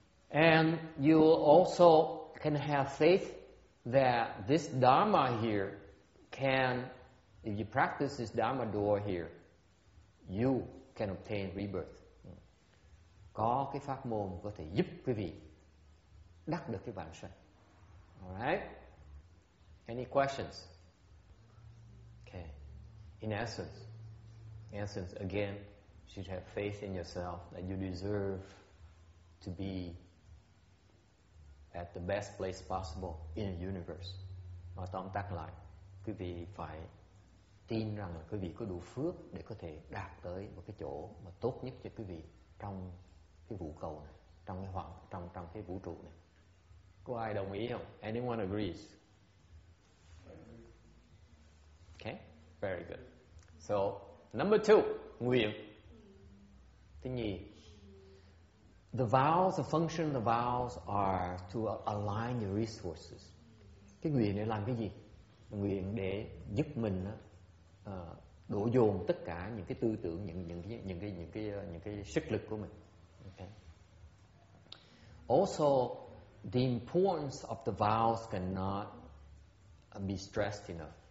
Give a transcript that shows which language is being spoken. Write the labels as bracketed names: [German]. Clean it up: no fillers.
[English] And you also can have faith that this Dharma here can, if you practice this Dharma door here, you can obtain rebirth. [Vietnamese] Có cái pháp môn có thể giúp quý vị đắc được cái vãng sanh. [English] All right? Any questions? Okay. In essence, again, you should have faith in yourself that you deserve to be at the best place possible in the universe. [Vietnamese] Nói tóm tắt lại, quý vị phải tin rằng là quý vị có đủ phước để có thể đạt tới một cái chỗ mà tốt nhất cho quý vị trong cái vũ cầu này, trong cái hoàng, trong cái vũ trụ này. Có ai đồng ý không? [English] Anyone agrees? Okay, very good. So, number two, nguyện. [Vietnamese] Thứ nhì, [English] the vows, the function of the vows are to align your resources. [Vietnamese] Cái nguyện để làm cái gì? Nguyện để giúp mình đổ dồn tất cả những cái tư tưởng, những cái sức lực của mình. [English] Okay. Also, the importance of the vows cannot be stressed enough.